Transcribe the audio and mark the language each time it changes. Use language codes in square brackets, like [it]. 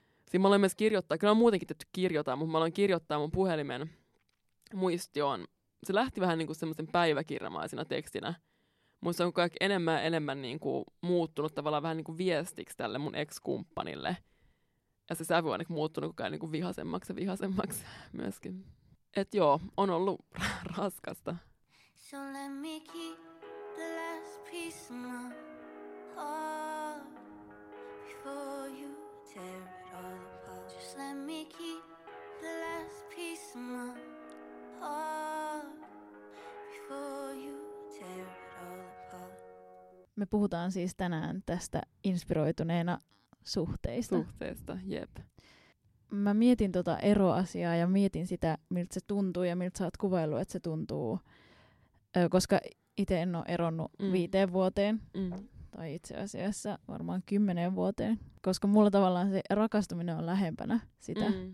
[fi] Siinä mä aloin myös kirjoittaa, kyllä on muutenkin tehty kirjoittaa, mutta mä aloin kirjoittaa mun puhelimen muistioon. Se lähti vähän niin kuin semmoisen päiväkirjamaisena tekstinä, mutta se on kaikki enemmän niin kuin muuttunut tavallaan vähän niin kuin viestiksi tälle mun ex-kumppanille. Ja se sävy on niin muuttunut koko ajan niin kuin vihasemmaksi myöskin. Et joo, on ollut raskasta. [en] So let me keep the last piece of my heart. Before you tear it all apart, just let me keep the last piece of my heart. Before you tear it all apart. [fi] Me puhutaan siis tänään tästä inspiroituneena suhteista. Suhteesta, jep. Mä mietin tota eroasiaa ja mietin sitä, miltä se tuntuu ja miltä sä oot kuvaillut, että se tuntuu. Koska itse en ole eronnut 5 vuoteen. Tai itse asiassa varmaan 10 vuoteen, koska mulla tavallaan se rakastuminen on lähempänä sitä.